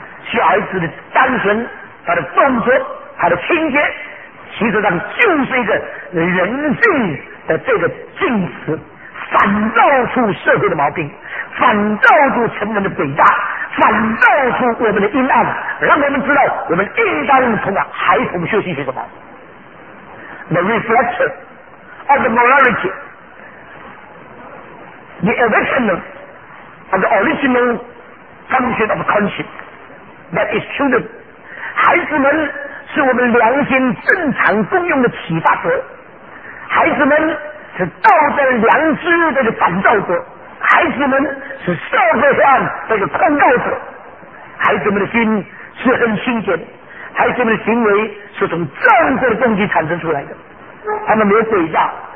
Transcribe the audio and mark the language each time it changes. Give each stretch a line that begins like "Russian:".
Chinese: 小孩子的单纯，他的动作，他的清洁，其实上就是一个人性的这个镜子，反照出社会的毛病，反照出成人的诡诈，反照出我们的阴暗，让我们知道我们应当从孩童学习些什么。
English: The reflection of the morality, the awakening of the original function of conscience that is children.
Chinese: 孩子们是我们良心正常功用的启发者，孩子们是道德良知的这个反照者，孩子们是社会上的这个控告者。孩子们的心是很清洁，孩子们的行为是从正确的动机产生出来的，他们没有诡诈。